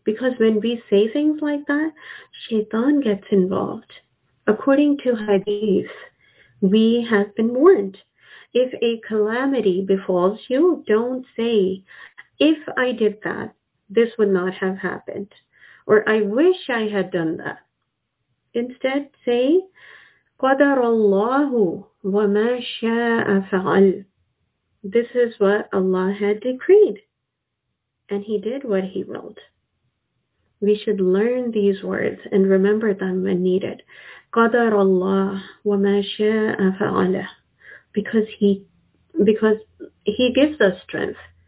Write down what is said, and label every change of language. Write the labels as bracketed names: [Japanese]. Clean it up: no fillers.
[English] Because when we say things like that, shaitan gets involved. According to hadith, we have been warned. If a calamity befalls you, don't say, if I did that, this would not have happened. Or I wish I had done that. Instead, say, [Arabic] قَدَرَ اللَّهُ وَمَا شَاءَ فَعَلْ. [English] This is what Allah had decreed. And He did what He willed. We should learn these words and remember them when needed. [Arabic] قَدَرَ اللَّهُ وَمَا شَاءَ فَعَلْ. [English] Because he gives us strength.